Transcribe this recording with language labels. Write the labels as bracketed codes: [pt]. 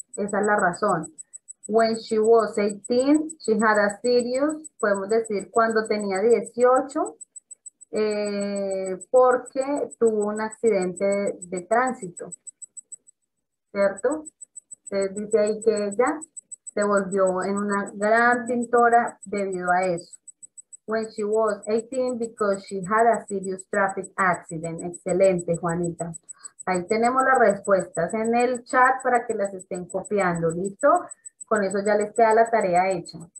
[es] Esa es la razón. [en] When she was 18, she had a serious, [es] podemos decir, cuando tenía 18, porque tuvo un accidente de tránsito. ¿Cierto? Entonces dice ahí que ella se volvió en una gran pintora debido a eso. [en] When she was 18, because she had a serious traffic accident. [es] Excelente, Juanita. Ahí tenemos las respuestas en el chat para que las estén copiando, ¿listo? Con eso ya les queda la tarea hecha.